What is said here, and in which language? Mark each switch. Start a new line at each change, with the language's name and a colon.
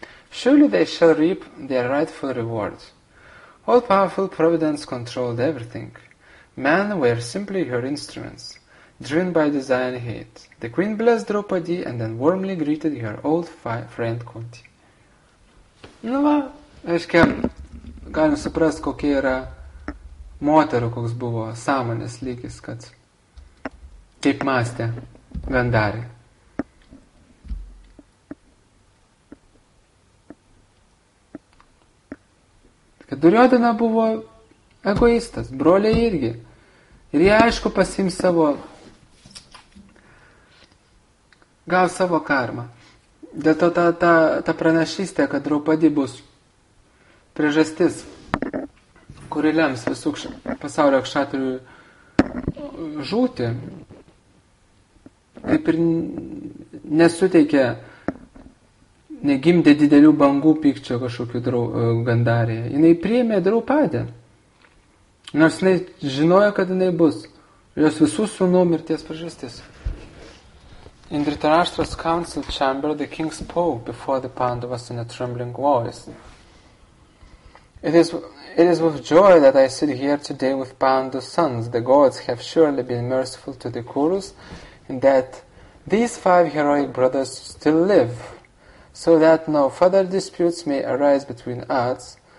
English: Surely they shall reap their rightful reward. All-powerful providence controlled everything. Men were simply her instruments. driven by desire and hate. The queen blessed Draupadi and then warmly greeted her old friend Kunti.
Lithuanian: Nu va, aiškia, galim suprasti, kokia yra moterų, koks buvo sąmonės lygis, kad kaip mąstė Gandari. Kad Duryodhana buvo egoistas, broliai irgi. Ir jie, aišku, pasims savo, gal savo karmą. Dėl to ta pranašystė, kad Draupadi bus priežastis, kuri lems visų pasaulio kšatrijų žūti, kaip ir nesuteikė, negimdė didelių bangų pykčio kažkokių Gandarėje. Jinai priėmė Draupadį. Nors jinai žinojo, kad jinai bus jos visų sūnų mirties priežastis.
English: In Dhritarashtra's council chamber, the king spoke before the Pandavas in a trembling voice. It is with joy that I sit here today with Pandu's sons. The gods have surely been merciful to the Kurus in that these five heroic brothers still live, so that no further disputes may arise between us.